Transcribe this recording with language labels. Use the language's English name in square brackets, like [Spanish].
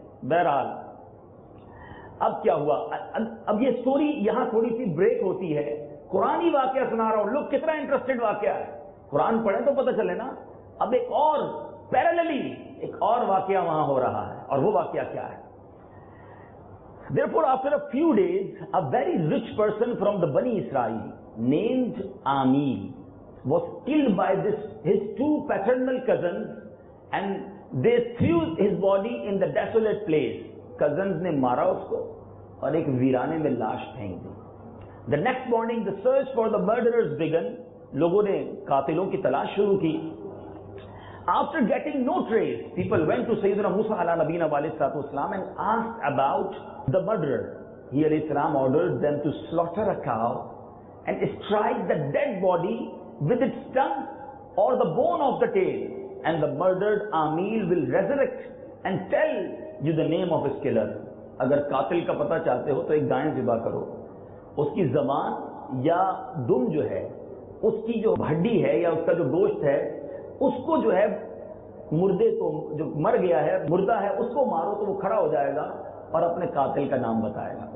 [Urdu] بہرحال اب کیا ہوا, اب یہ سٹوری یہاں تھوڑی سی بریک ہوتی ہے. قرآن واقعہ سنا رہا ہوں, لوگ کتنا انٹرسٹڈ واقعہ ہے, قرآن پڑھے تو پتہ چلے نا. اب ایک اور پیرللی ایک اور واقعہ وہاں ہو رہا ہے, اور وہ واقعہ کیا ہے. [English] Therefore after a few days a very rich person from the Bani Israel named Amir was killed by this his two paternal cousins and they threw his body in the desolate place. [Urdu] Cousins نے مارا اس کو اور ایک ویرانے میں لاش پھینک دی. [English] The next morning the search for the murderers began. [Urdu] لوگوں نے قاتلوں کی تلاش شروع کی. [English] After getting no trace, people went to [Urdu] سیدنا موسیٰ علیہ نبینا علیہ الصلوۃ والسلام [English] and asked about the murderer. He علیہ السلام ordered them to slaughter a cow and strike the dead body with its tongue or the bone of the tail and the murdered Amil will resurrect and tell you the name of his killer. [Urdu] اگر قاتل کا پتہ چاہتے ہو تو ایک گائیں ذبح کرو, اس کی زبان یا دم جو ہے, اس کی جو ہڈی ہے یا اس کا جو گوشت ہے, اس کو جو ہے مردے کو جو مر گیا ہے, مردہ ہے, اس کو مارو تو وہ کھڑا ہو جائے گا اور اپنے قاتل کا نام بتائے گا.